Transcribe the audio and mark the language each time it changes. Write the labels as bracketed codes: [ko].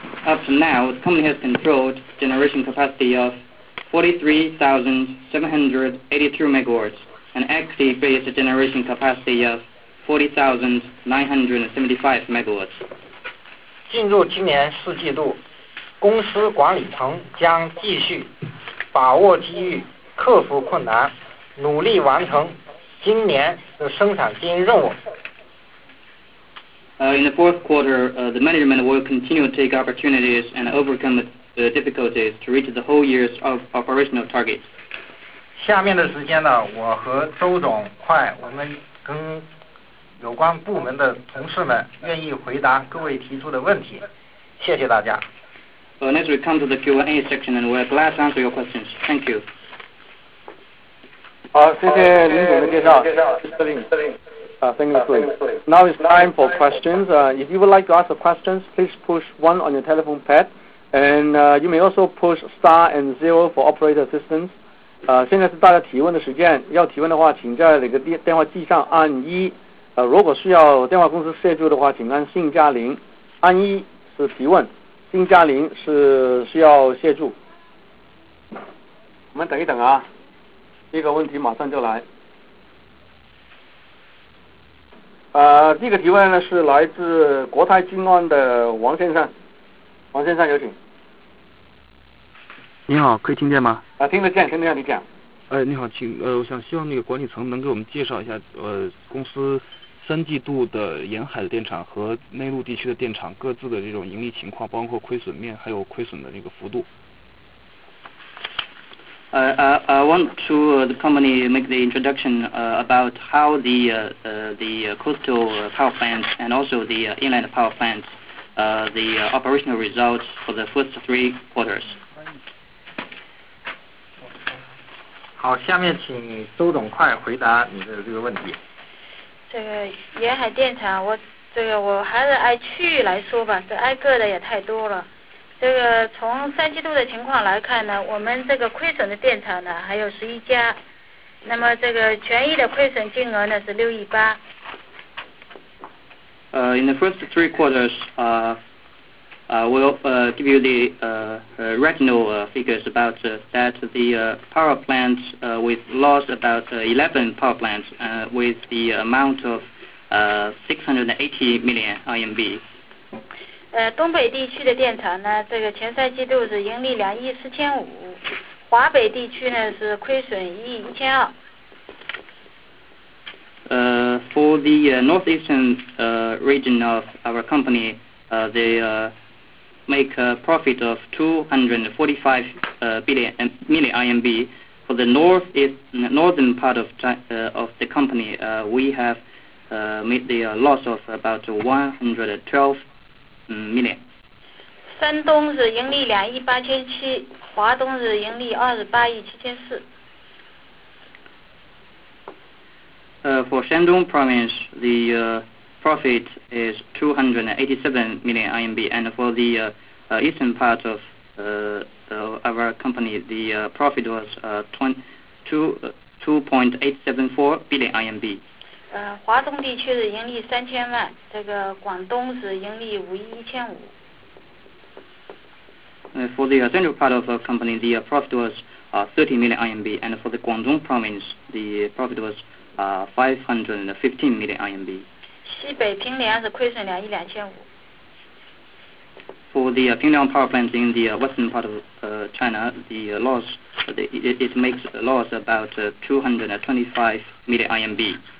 [en] Up to now, the company has controlled generation capacity of 43,782 megawatts and equity-based generation capacity of 40,975 megawatts. [zh] 克服困难，努力完成今年的生产经营任务。 [en] In the fourth quarter, the management will continue to take opportunities and overcome the difficulties to reach the whole year's of operational targets. [zh] 下面的时间呢，我和周总快，我们跟有关部门的同事们愿意回答各位提出的问题。谢谢大家。 [en] Next, we come to the Q&A section, and we're glad to answer your questions. Thank you. [zh] 好，谢谢林总的介绍。 [en] Thank you. Now it's time for questions. If you would like to ask the questions, please push 1 on your telephone pad. And you may also push star and 0 for operator assistance. [zh] 现在是大家提问的时间。要提问的话，请在那个电话机上按1。如果需要电话公司协助的话，请按信加0。按1是提问，信加0是需要协助。我们等一等啊。第一个问题马上就来。第一个提问呢是来自国泰君安的王先生，王先生有请。你好，可以听见吗？听得见，你讲。哎，你好，请我想希望那个管理层能给我们介绍一下，公司三季度的沿海的电厂和内陆地区的电厂各自的这种盈利情况，包括亏损面，还有亏损的那个幅度。 [en] I want to the company make the introduction about how the coastal power plants and also the inland power plants, the operational results for the first three quarters. [zh] 好，下面请周总快回答你的这个问题。这个沿海电厂，我还是按区域来说吧，这挨个的也太多了。这个从三季度的情况来看呢，我们这个亏损的电厂呢还有11家，那么这个权益的亏损金额呢是6.8亿。 [en] In the first three quarters, we'll give you the regional figures about that. The power plants with loss about 11 power plants with the amount of 680 million RMB. [zh] 东北地区的电厂呢，这个前三季度是盈利2.45亿，华北地区呢是亏损1.12亿。 [en] For the northeastern region of our company, they make a profit of 245 billion RMB, For the north east, northern part of China, of the company, we have made the loss of about 112 million. [zh] 山东是盈利2亿8千7，华东是盈利28亿7千4。 [en] For Shandong province, the profit is 287 million RMB, and for the eastern part of our company, the profit was 2.874 billion RMB. [zh] 华东地区是盈利3000万，这个广东是盈利5亿1千5。 [en] For the central part of our company, the profit was 30 million RMB, and for the Guangdong province, the profit was 515 million RMB. [zh] 西北平凉是亏损2亿2千5。 [en] For the Pingliang power plant in the western part of China, the loss, it makes a loss about 225 million RMB.